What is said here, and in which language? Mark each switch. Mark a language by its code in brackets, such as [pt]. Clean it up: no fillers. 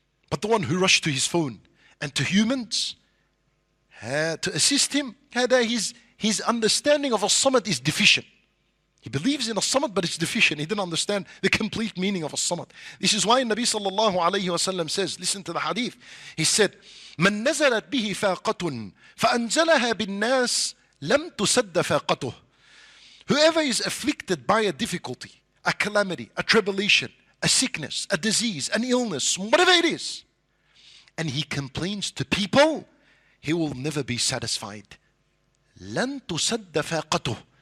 [en] But the one who rushed to his phone and to humans to assist him, his understanding of As-Samad is deficient. He believes in As-Samad, but it's deficient. He didn't understand the complete meaning of As-Samad. This is why Nabi sallallahu alayhi wa sallam says, listen to the hadith. He said, [ar] مَنْ نَزَلَتْ بِهِ فَاقَةٌ فَأَنْزَلَهَا بِالنَّاسِ لَمْ تُسَدَّ فَاقَتُهُ. [en] Whoever is afflicted by a difficulty, a calamity, a tribulation, a sickness, a disease, an illness, whatever it is, and he complains to people, he will never be satisfied. [ar] لَن تُسَدَّ فَاقَتُهُ.